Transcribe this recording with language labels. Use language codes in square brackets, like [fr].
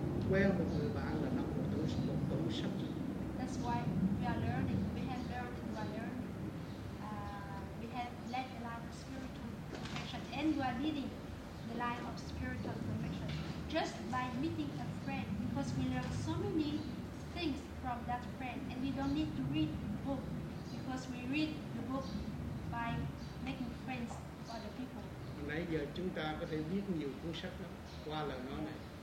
[vi] Quen một người bạn là đọc một tủ sách. [en] That's why we are learning. We have learned. We are learning. We have led the life of spiritual perfection, and we are leading the life of spiritual perfection just by meeting a friend. Because we learn so many things from that friend, and we don't need to read the book. Because we read the book by making friends with other people. [vi] Nãy giờ chúng ta có thể viết nhiều cuốn sách lắm qua lời nói này.